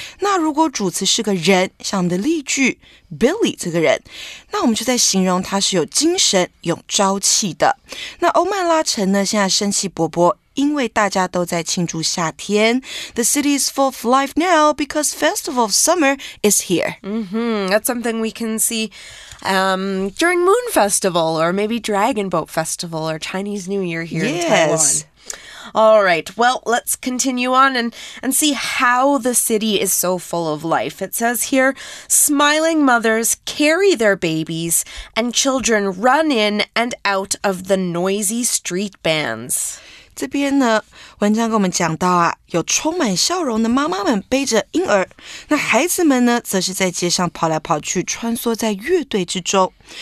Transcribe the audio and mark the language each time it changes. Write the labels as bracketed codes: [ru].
[zh] 那如果主词是个人，像我们的例句 Billy 这个人，那我们就在形容他是有精神，有朝气的。那欧麦拉城呢，现在生气勃勃，因为大家都在庆祝夏天。 [en] The city is full of life now because Festival of Summer is here. Mm-hmm. That's something we can see during Moon Festival or maybe Dragon Boat Festival or Chinese New Year here in Taiwan. All right, well, let's continue on and see how the city is so full of life. It says here, smiling mothers carry their babies and children run in and out of the noisy street bands. [zh] 这边呢，文章跟我们讲到啊，有充满笑容的妈妈们背着婴儿，那孩子们呢，则是在街上跑来跑去，穿梭在乐队之中。